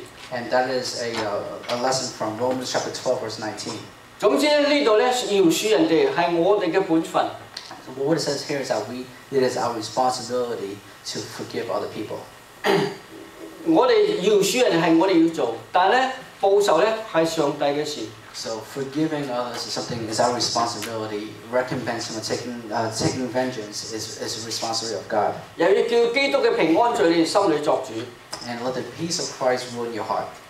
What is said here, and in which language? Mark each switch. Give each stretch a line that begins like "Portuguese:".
English: And that is a lesson from Romans chapter 12, verse 19.
Chinese: 总之这里呢,饶恕人家是我们的本分。
English: So what it says here is that it is our responsibility to forgive other people.
Chinese: 我们饶恕人家是我们要做,但呢,报仇呢,是上帝的事。
English: So forgiving others is something is our responsibility. Recompense from taking vengeance is a responsibility of God. And let the peace of Christ rule in your heart.